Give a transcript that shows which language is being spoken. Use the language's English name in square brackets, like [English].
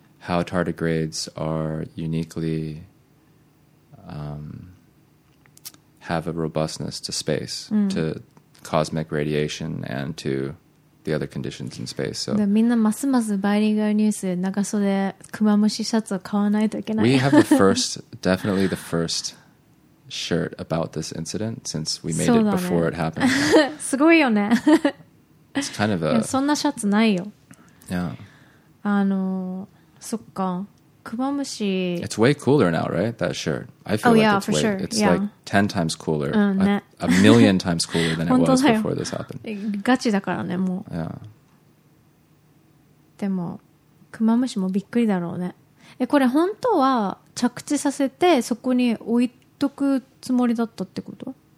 [English] how tardigrades are uniquely have a robustness to space, to cosmic radiation and to the other conditions in space. So, [Japanese] みんなますますバイリンガルニュース長袖クマムシシャツを買わないといけない。 [English] We have the first, definitely the first shirt about this incident since we made it before it happened. [Japanese] すごいよね。 [English] It's kind of a... [Japanese] そんなシャツないよ。 [English] Yeah. [Japanese] そっか、クマムシ。 [English] It's way cooler now, right? That shirt. I feel it's like 10 times cooler. A million times cooler than it was before this happened. [Japanese] ガチだからね、もう。 [English] Yeah. [Japanese] でも、クマムシもびっくりだろうね。え、これ本当は着地させてそこに置いとくつもりだったってこと？